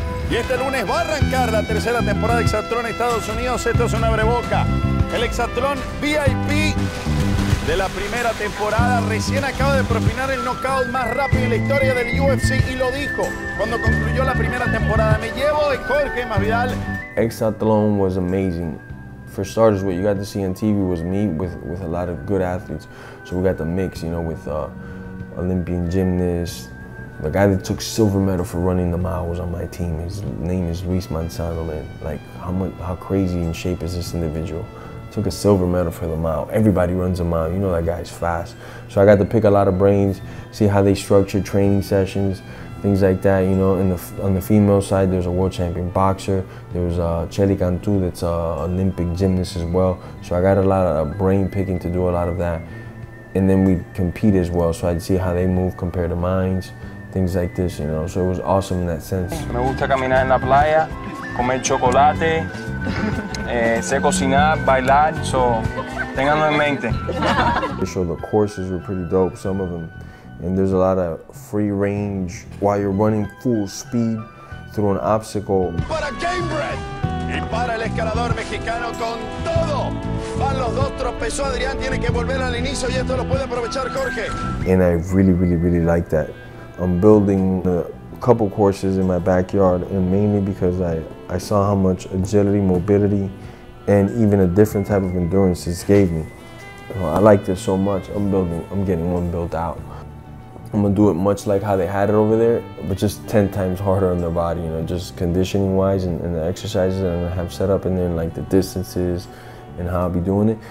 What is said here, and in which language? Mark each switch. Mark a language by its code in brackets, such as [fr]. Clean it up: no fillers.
[es] Y este lunes va a arrancar la tercera temporada de Hexatlón en Estados Unidos. Esto es un abreboca. El Hexatlón VIP de la primera temporada recién acaba de propinar el knockout más rápido en la historia del UFC y lo dijo cuando concluyó la primera temporada. Me llevo de Jorge Masvidal. [en] Hexatlón was amazing. For starters, what you got to see on TV was me with a lot of good athletes. So we got the mix, you know, with Olympian gymnasts. The guy that took silver medal for running the mile was on my team. His name is Luis Manzano, man. Like, how crazy in shape is this individual? Took a silver medal for the mile. Everybody runs a mile. You know that guy's fast. So I got to pick a lot of brains, see how they structure training sessions, things like that, you know. On the female side, there's a world champion boxer. There's Chelly Cantu that's an Olympic gymnast as well. So I got a lot of brain picking to do a lot of that. And then we compete as well, so I'd see how they move compared to mine's. things like this, you know. So it was awesome in that sense. [es] Me gusta caminar en la playa, comer chocolate, sé cocinar, bailar, [en] so [es] ténganlo en mente. [en] So the courses were pretty dope, some of them. And there's a lot of free range while you're running full speed through an obstacle. [es] Para Gamebred y para el escalador mexicano con todo. Van los dos, tropezó Adrián, tiene que volver al inicio y esto lo puede aprovechar Jorge. [en] And I really, really, really like that. I'm building a couple courses in my backyard, and mainly because I saw how much agility, mobility, and even a different type of endurance this gave me. I like this so much. I'm getting one built out. I'm gonna do it much like how they had it over there, but just 10 times harder on their body, you know, just conditioning wise and the exercises that I'm gonna have set up in there and like the distances and how I'll be doing it.